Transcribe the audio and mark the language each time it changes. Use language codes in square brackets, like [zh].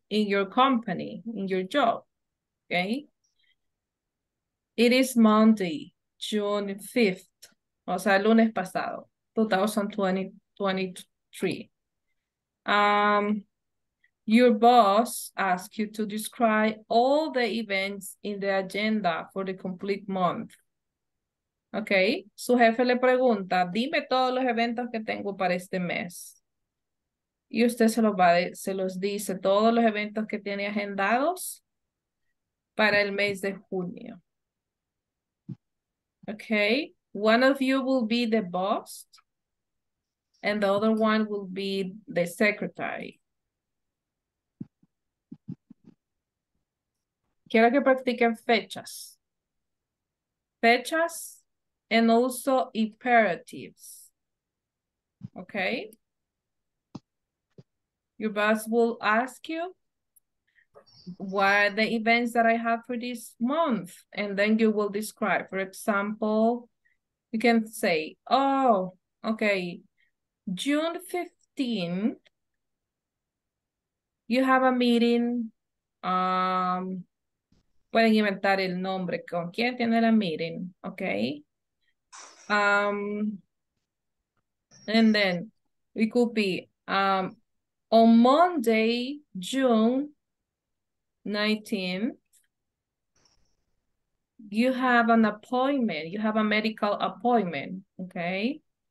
[en] In your company, in your job. Okay. It is Monday, June 5th. [es] O sea, el lunes pasado, [en] 2023. Your boss asks you to describe all the events in the agenda for the complete month. [es] Okay, su jefe le pregunta, dime todos los eventos que tengo para este mes. Y usted se los va, se los dice, todos los eventos que tiene agendados para el mes de junio. [en] Okay, one of you will be the boss and the other one will be the secretary. [es] Quiero que practiquen fechas. Fechas [en] and also imperatives. [es] Okay? [en] Your boss will ask you what are the events that I have for this month, and then you will describe. For example, you can say, oh, okay, June 15th, you have a meeting. [es] Pueden inventar el nombre, con quién tiene la meeting, okay? [en] And then it could be on Monday, June 19th, you have an appointment, you have a medical appointment, okay?